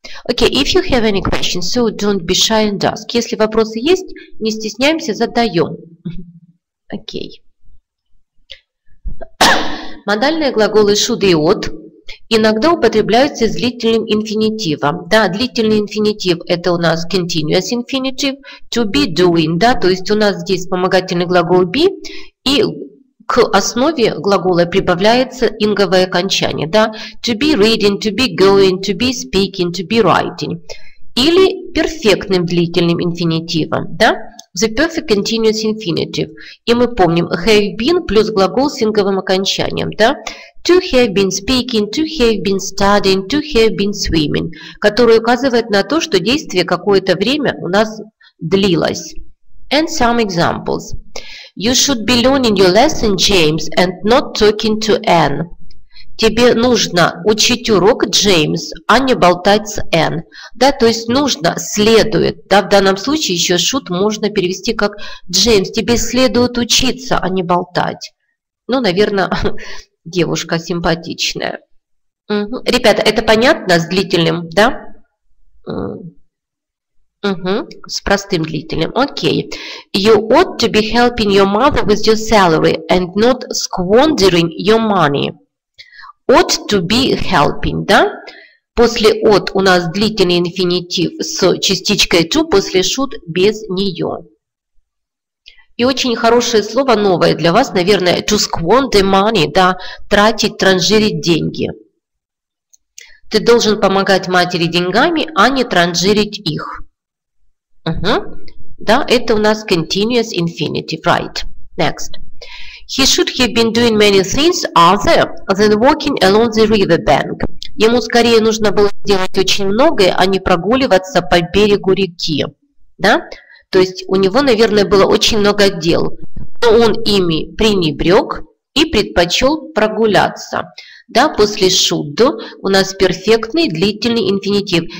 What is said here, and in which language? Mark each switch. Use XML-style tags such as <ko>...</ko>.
<en>Okay, if you have any questions, so don't be shy and ask.</en> <ru>Если вопросы есть, не стесняемся, задаем.</ru> <en>Окей. Okay.</en> <ru>Модальные глаголы should и ought иногда употребляются с длительным инфинитивом. Да, длительный инфинитив – это у нас continuous infinitive, to be doing, да, то есть у нас здесь вспомогательный глагол be, и к основе глагола прибавляется инговое окончание, да?</ru> <en>To be reading, to be going, to be speaking, to be writing.</en> <ru>Или перфектным длительным инфинитивом, да?</ru> <en>The perfect continuous infinitive.</en> <ru>И мы помним have been плюс глагол с инговым окончанием, да?</ru> <en>To have been speaking, to have been studying, to have been swimming.</en> <ru>Который указывает на то, что действие какое-то время у нас длилось.</ru> <en>And some examples. You should be learning your lesson, James, and not talking to Anne.</en> <ru>Тебе нужно учить урок, Джеймс, а не болтать с Энн. Да, то есть нужно, следует. Да, в данном случае еще should можно перевести как Джеймс, тебе следует учиться, а не болтать. Ну, наверное, девушка симпатичная. Угу. Ребята, это понятно с длительным, да? Угу, с простым длительным.</ru> <en>Окей. Okay. You ought to be helping your mother with your salary and not squandering your money. Ought to be helping,</en> <ru>да? После ought у нас длительный инфинитив с частичкой to, после should без нее. И очень хорошее слово новое для вас, наверное, to squander money, да, тратить, транжирить деньги. Ты должен помогать матери деньгами, а не транжирить их. Угу. Да, это у нас continuous infinitive,</ru> <en>right? Next. He should have been doing many things other than walking along the riverbank.</en> <ru>Ему скорее нужно было делать очень многое, а не прогуливаться по берегу реки. Да? То есть у него, наверное, было очень много дел. Но он ими пренебрег и предпочел прогуляться. Да, после should у нас перфектный длительный инфинитив.</ru>